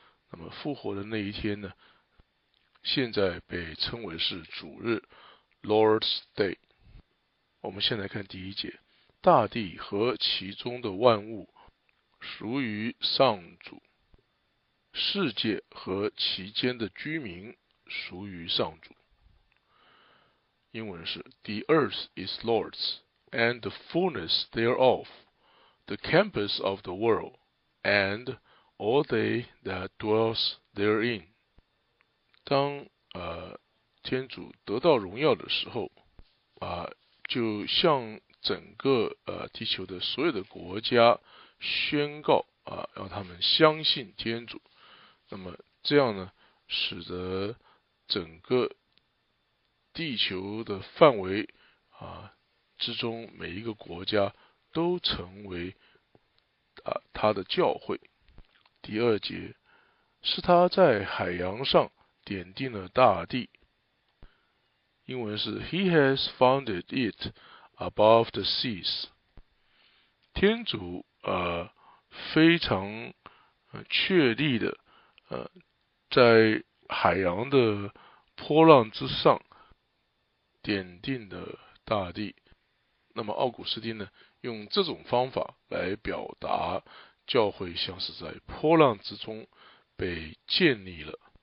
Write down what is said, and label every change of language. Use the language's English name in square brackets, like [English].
[Chinese] 那么复活的那一天呢，现在被称为是主日 Lord's Day。我们先来看第一节，大地和其中的万物属于上主，世界和其间的居民属于上主。英文是 [English] The earth is Lord's, and the fullness thereof, the campus of the world, and all they that dwells therein. [Chinese] 当天主得到荣耀的时候，就向整个地球的所有的国家宣告让他们相信天主。那么这样呢，使得整个地球的范围之中每一个国家都成为他的教会。第二节，是他在海洋上奠定了大地。英文是 [English] He has founded it above the seas。 [Chinese] 天主非常确立的在海洋的波浪之上奠定的大地。那么奥古斯丁呢，用这种方法来表达教会像是在波浪之中被建立了。